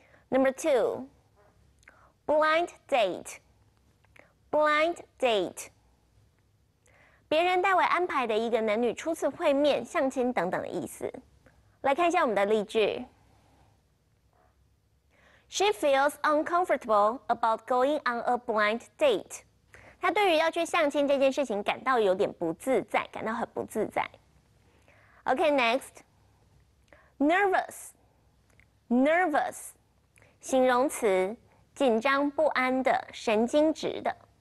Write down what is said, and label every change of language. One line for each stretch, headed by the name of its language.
English: Number two, blind date, blind date.
Chinese: 别人代为安排的一个男女初次会面、相亲等等的意思。来看一下我们的例句。
English: She feels uncomfortable about going on a blind date.
Chinese: 她对于要去相亲这件事情感到有点不自在，感到很不自在。
English: Okay, next. Nervous. Nervous.
Chinese: 形容词，紧张不安的，神经质的。